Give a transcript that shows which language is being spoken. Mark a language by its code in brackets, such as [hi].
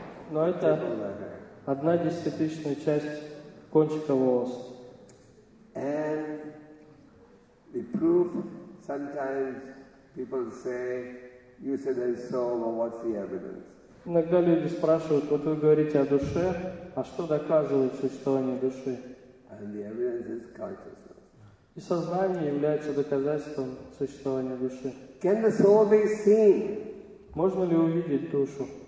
[ru] Но это 1/10,000 часть кончика волоса. [en] And The proof, sometimes people say, you said there is soul, but what's the evidence? [ru] Иногда люди спрашивают, вот вы говорите о душе, а что доказывает существование души? [en] And the evidence is consciousness. [ru] И сознание является доказательством существования души. [en] Can the soul be seen? [ru] Можно ли увидеть душу?